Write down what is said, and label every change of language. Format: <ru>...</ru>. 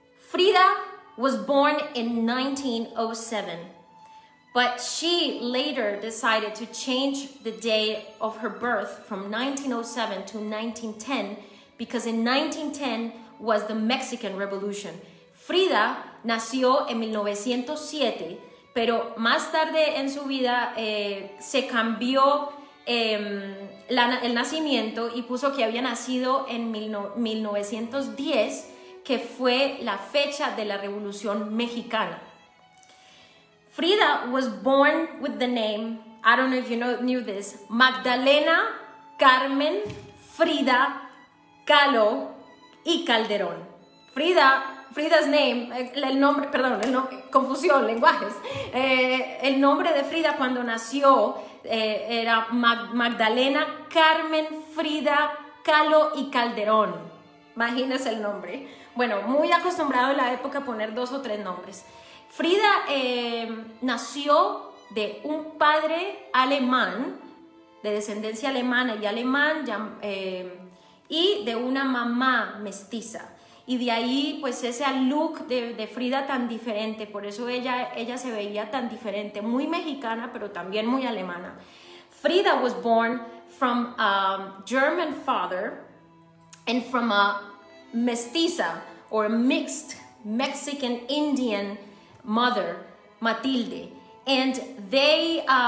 <en>Frida was born in 1907, but she later decided to change the day of her birth from 1907 to 1910, because in 1910 was the Mexican Revolution.</en> <es>Frida nació en 1907, pero más tarde en su vida se cambió el nacimiento y puso que había nacido en 1910, que fue la fecha de la Revolución Mexicana.</es> <en>Frida was born with the name, I don't know if you knew this, Magdalena Carmen Frida Kahlo y Calderón. Frida's name,</en> <es>el nombre, perdón, el nombre, confusión, lenguajes. El nombre de Frida cuando nació era Magdalena Carmen Frida Kahlo y Calderón. Imagínese el nombre. Bueno, muy acostumbrado en la época a poner dos o tres nombres. Frida nació de un padre alemán, de descendencia alemana y alemán, y de una mamá mestiza. Y de ahí, pues, ese look de Frida tan diferente. Por eso ella se veía tan diferente. Muy mexicana, pero también muy alemana.</es> <en>Frida was born from a German father and from a mestiza or a mixed Mexican-Indian mother, Matilde. And they,</en>